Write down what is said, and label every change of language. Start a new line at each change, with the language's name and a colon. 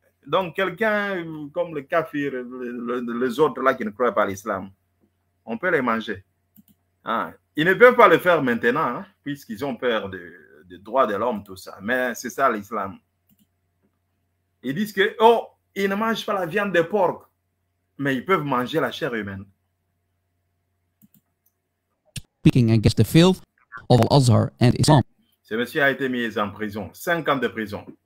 French: Donc quelqu'un comme le kafir, les autres là qui ne croient pas à l'islam, on peut les manger. Ah. Ils ne peuvent pas le faire maintenant, hein, puisqu'ils ont peur des droits de l'homme, tout ça. Mais c'est ça l'islam. Ils disent que, oh, ils ne mangent pas la viande de porc, mais ils peuvent manger la chair humaine.
English: Speaking against the filth of Al-Azhar and Islam.
French: Ce monsieur a été mis en prison. 5 ans de prison.